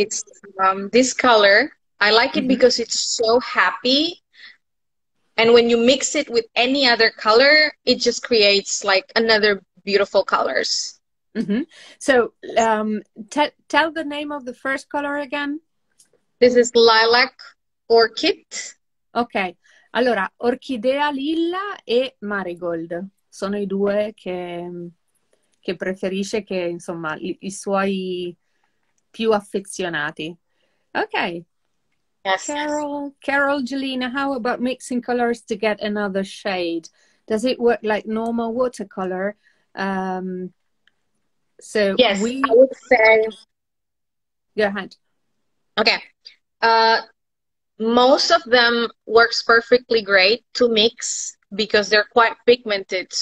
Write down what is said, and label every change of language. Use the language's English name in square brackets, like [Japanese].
[English] It's this color. I like it because it's so happy. And when you mix it with any other color, it just creates like another beautiful colors. So tell the name of the first color again. This is Lilac Orchid. Okay. [Italian] Allora, orchidea lilla e marigold sono i due che preferisce, che insomma i suoi più affezionati. Ok. [English] Yes. Carol Jelena, how about mixing colors to get another shade? Does it work like normal watercolor? So yes, we... I would say. Go ahead. Okay. Most of them works perfectly great to mix because they're quite pigmented.